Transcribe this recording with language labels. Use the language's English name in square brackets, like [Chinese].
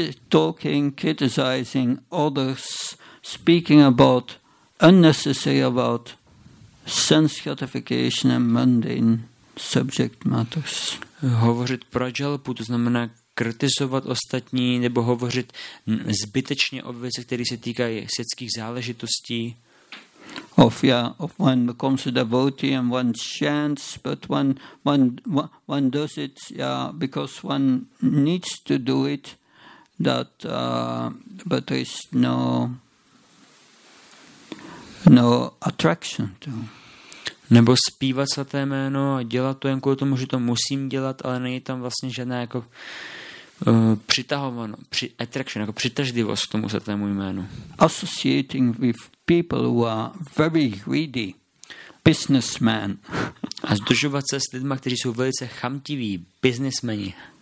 [English] Talking, criticizing others, speaking about unnecessary about sense gratification and mundane subject matters. [Czech] Hovořit prajalapu, to znamená kritizovat ostatní nebo hovořit zbytečně o věcech, které se týkají světských záležitostí. [English] Of one becomes a devotee and one chants, but one does it because one needs to do it. That but there is no attraction to. [Czech] Nebo zpívat svaté jméno a dělat to jen kvůli tomu, že to musím dělat, ale není tam vlastně žádná jako přitahovanost, attraction, jako přitažlivost k tomu svatému jménu. [English] Associating with people who are very greedy businessmen. [Czech] A združovat se s lidmi, kteří jsou velice chamtiví businessmeni.